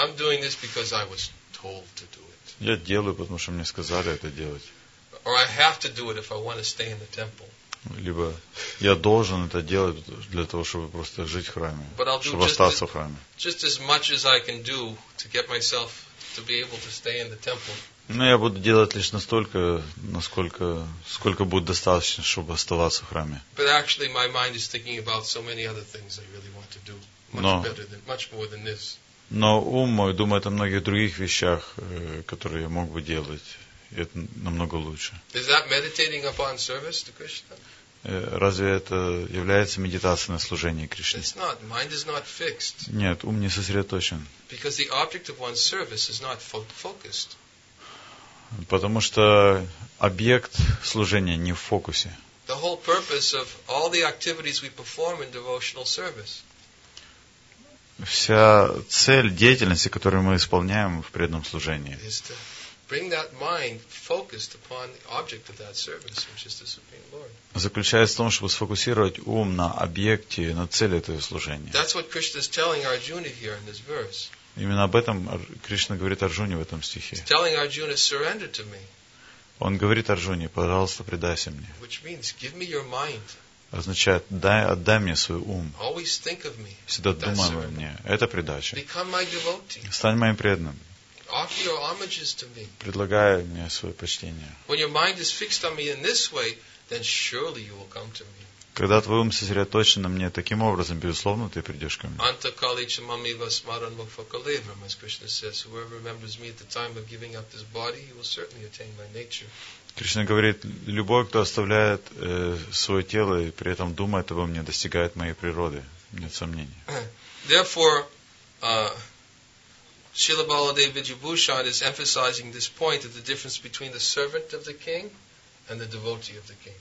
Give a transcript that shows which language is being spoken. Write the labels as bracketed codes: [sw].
[en] I'm doing this because I was told to do it. [ru] Я делаю, потому что мне сказали это делать. [en] Or I have to do it if I want to stay in the temple. [ru] Либо я должен это делать для того, чтобы просто жить в храме, чтобы остаться в храме. [en] Just as much as I can do to get myself to be able to stay in the temple. [ru] Но я буду делать лишь настолько, насколько, сколько будет достаточно, чтобы оставаться в храме. [en] But actually my mind is thinking about so many other things I really want to do. Much more than this. [ru] Но ум мой думает о многих других вещах, которые я мог бы делать. И это намного лучше. [en] Is that meditating upon service to Krishna? [ru] Разве это является медитацией на служение Кришне? [en] It's not. Mind is not fixed. [ru] Нет, ум не сосредоточен. [en] Because the object of one's service is not focused. [ru] Потому что объект служения не в фокусе. [en] The whole purpose of all the activities we perform in devotional service. [ru] Вся цель деятельности, которую мы исполняем в преданном служении. [en] Is to bring that mind focused upon the object of that service, which is the Supreme Lord. [ru] Заключается в том, чтобы сфокусировать ум на объекте, на цели этого служения. [en] That's what Krishna is telling Arjuna here in this verse. [ru] Именно об этом Кришна говорит Арджуне в этом стихе. [en] He's telling Arjuna, surrender to me. [ru] Он говорит Арджуне, пожалуйста, предайся мне. [en] Which means, give me your mind. [ru] Означает, отдай мне свой ум. [en] Always think of me. [ru] Всегда думай о мне. Это предача. [en] Become my devotee. [ru] Стань моим преданным. [en] Offer your homages to me. [ru] Предлагай мне свое почтение. [en] When your mind is fixed on me in this way, then surely you will come to me. [ru] Когда твой ум сосредоточен на мне таким образом, безусловно, ты придешь ко мне. [sa] Antakali chamamiva smaran mukha kalevram, [en] as Krishna says, whoever remembers me at the time of giving up this body, he will certainly attain my nature. [ru] Кришна говорит, любой, кто оставляет свое тело и при этом думает обо мне, достигает моей природы. Нет сомнений. [en] Therefore, Srila Baladeva Vidyabhushan is emphasizing this point of the difference between the servant of the king and the devotee of the king.